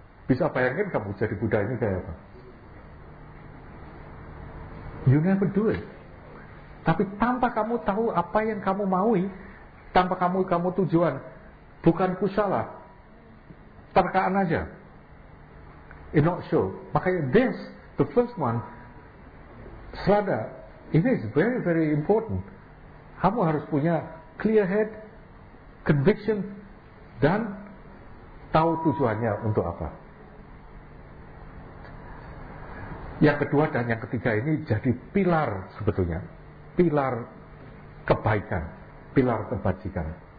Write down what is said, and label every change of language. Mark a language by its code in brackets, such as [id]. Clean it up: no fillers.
[id] Bisa bayangin kamu jadi Buddha ini kayak apa? [en] You never do it. [id] Tapi tanpa kamu tahu apa yang kamu maui, tanpa kamu tujuan, bukan kusala, terkaan aja. [en] It not sure. [id] Makanya [en] this, the first one, serada, it is very, very important. [id] Kamu harus punya [en] clear head, conviction, [id] dan tahu tujuannya untuk apa. Yang kedua dan yang ketiga ini jadi pilar sebetulnya. Pilar kebaikan, pilar kebajikan.